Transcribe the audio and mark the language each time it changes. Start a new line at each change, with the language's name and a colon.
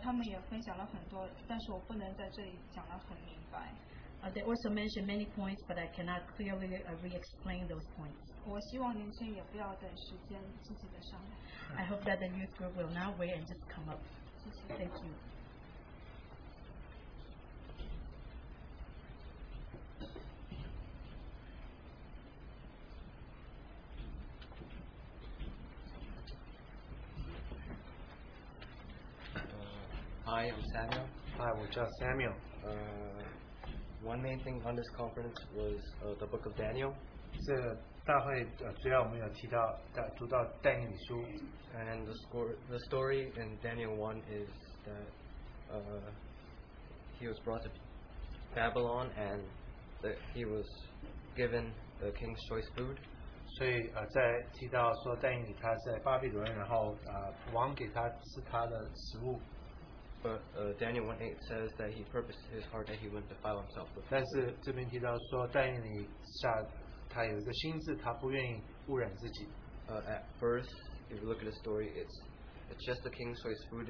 Chinese: 他们也分享了很多，但是我不能在这里讲得很明白。
English: They also mentioned many points, but I cannot clearly re-explain those points.
Chinese: 我希望年轻人也不要等时间自己的伤害。
English: I hope that the youth group will not wait and just come up.
Chinese: 谢谢。
English: Thank you. Hi, I'm Samuel. Hi, what's up, Samuel? One main thing on this conference was the book of Daniel.
Chinese: 这大会主要我们有提到读到但以理书,
English: and the story in Daniel 1 is that he was brought to Babylon and that he was given the king's choice food.
Chinese: 所以在提到说但以理他在巴比伦，然后王给他吃他的食物。
English: But Daniel 1:8 says that he purposed his heart that he wouldn't defile himself with.
Chinese: 但是这边提到说，但以理下他有一个心智，他不愿意污染自己。
English: At first, if you look at the story, it's just the king's choice food.